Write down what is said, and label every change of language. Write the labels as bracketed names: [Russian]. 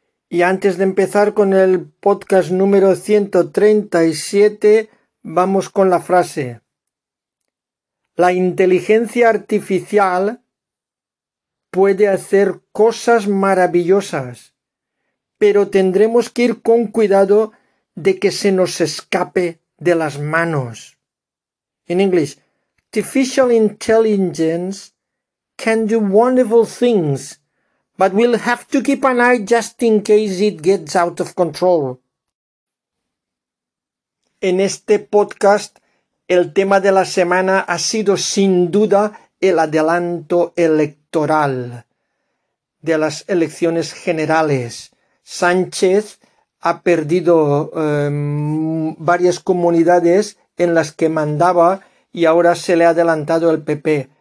[Spanish] Y antes de empezar con el podcast número 137, vamos con la frase. La inteligencia artificial puede hacer cosas maravillosas, pero tendremos que ir con cuidado de que se nos escape de las manos. [English] In English, artificial intelligence can do wonderful things, but we'll have to keep an eye just in case it gets out of control. [Spanish] En este podcast, el tema de la semana ha sido sin duda el adelanto electoral de las elecciones generales. Sánchez ha perdido varias comunidades en las que mandaba y ahora se le ha adelantado el PP.